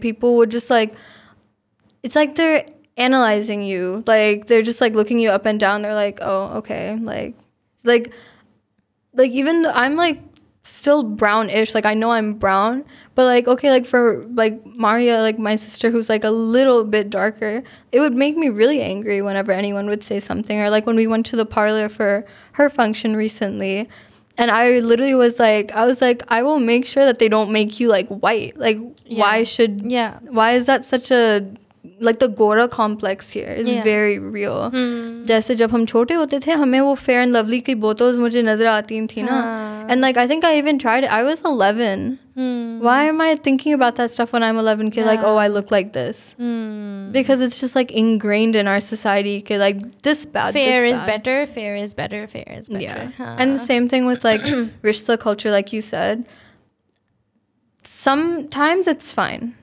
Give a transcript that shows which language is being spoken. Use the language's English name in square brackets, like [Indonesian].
[English] People would just like, it's like they're analyzing you, like they're just like looking you up and down, they're like, oh okay, like even though I'm like still brownish, like I know I'm brown, but like, okay, like for like Maria, like my sister who's like a little bit darker, it would make me really angry whenever anyone would say something. Or like when we went to the parlor for her function recently, and I literally was like, I was like, I will make sure that they don't make you like white. Like, why should, why is that such a, like the Gora complex here is very real. [Urdu] جیسے جب ہم چھوٹے ہوتے تھے، ہمیں وہ fair and lovely کی bottles مجھے نظر آتی تھی نا. [English] And like, I think I even tried it. I was 11. Why am I thinking about that stuff when I'm 11? Kid, like, oh, I look like this. Because it's just like ingrained in our society. Kid, like, this bad. Fair this is bad. Better. Fair is better. Fair is better. Yeah. Huh. And the same thing with like rishta culture, like you said. Sometimes it's fine.